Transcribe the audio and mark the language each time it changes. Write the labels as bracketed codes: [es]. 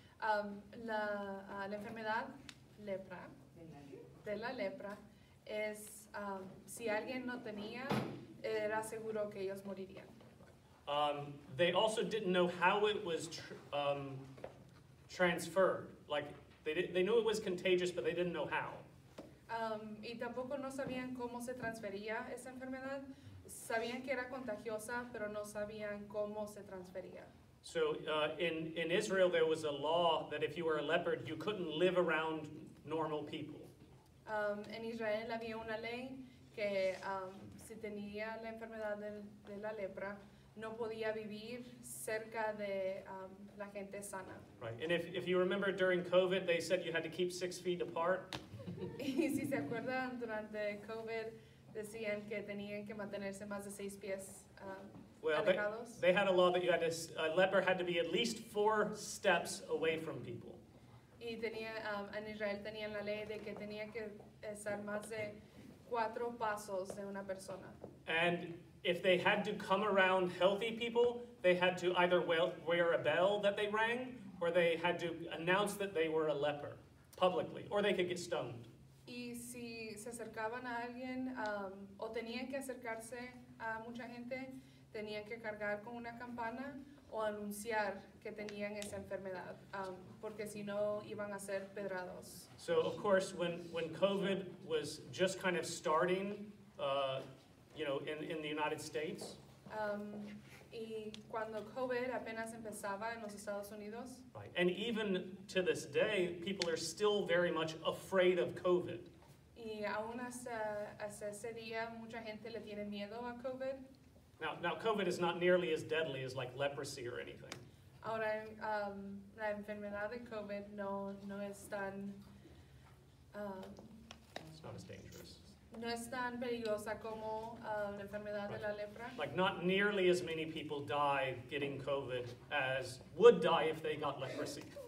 [es] La enfermedad lepra, de la lepra, es si alguien no tenía, era seguro que ellos morirían. [en] They also didn't know how it was transferred. Like, they knew it was contagious, but they didn't know how. [es] Y tampoco no sabían cómo se transfería esa enfermedad. Sabían que era contagiosa, pero no sabían cómo se transfería. [en] So in Israel there was a law that if you were a leper you couldn't live around normal people. [es] En Israel había una ley que si tenía la enfermedad de la lepra no podía vivir cerca de la gente sana. [en] Right. And if you remember during COVID they said you had to keep 6 feet apart. [es] Y si se acuerdan durante COVID decían que tenían que mantenerse más de 6 pies. [en] Well, they had a law that you had a leper had to be at least 4 steps away from people. [es] Y tenía en Israel tenían la ley de que tenía que estar más de 4 pasos de una persona. [en] And if they had to come around healthy people, they had to either wear a bell that they rang, or they had to announce that they were a leper publicly, or they could get stoned. [es] Y si se acercaban a alguien o tenían que acercarse a mucha gente. Tenían que cargar con una campana o anunciar que tenían esa enfermedad, porque si no iban a ser pedrados. [en] So of course, when COVID was just kind of starting, you know, in the United States. [es] Y cuando COVID apenas empezaba en los Estados Unidos. [en] Right, and even to this day, people are still very much afraid of COVID. [es] Y aún hasta ese día, mucha gente le tiene miedo a COVID. [en] Now, COVID is not nearly as deadly as like leprosy or anything. [es] Ahora, la enfermedad de COVID no es tan. [en] It's not as dangerous. [es] No es tan peligrosa como la enfermedad de la lepra. [en] Like not nearly as many people die getting COVID as would die if they got leprosy.